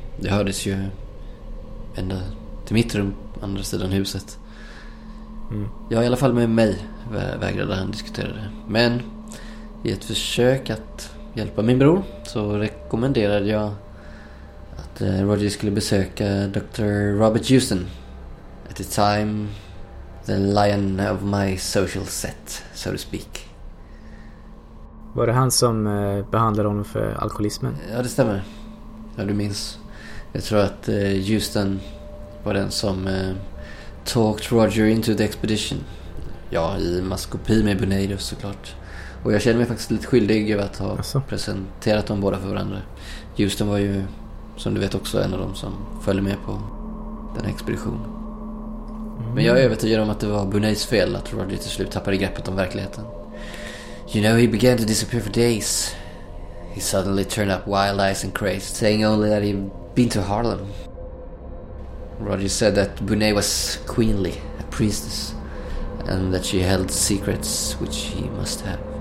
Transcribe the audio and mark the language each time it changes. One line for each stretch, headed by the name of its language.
Swedish: Det hördes ju ända till mitt rum, andra sidan huset. Ja, i alla fall med mig vägrade han diskutera det. Men i ett försök att hjälpa min bror så rekommenderade jag att Roger skulle besöka Dr. Robert Houston.
English: At the time, the lion of my social set, so to speak.
Swedish: Var det han som behandlade honom för alkoholismen? Ja, det stämmer. Ja, du minns. Jag tror att Houston var den som
English: talked Roger into the expedition.
Swedish: Ja, i maskopi med Bonet såklart. Och jag känner mig faktiskt lite skyldig över att ha presenterat dem båda för varandra. Houston var ju, som du vet, också en av dem som följde med på den expeditionen. Men jag är övertygad om att det var Bonets fel att Roger till slut tappade greppet om verkligheten.
English: You know, he began to disappear for days. He suddenly turned up wild eyes and crazed, saying only that he'd been to Harlem. Roger said that Bonet was queenly, a priestess, and that she held secrets which he must have.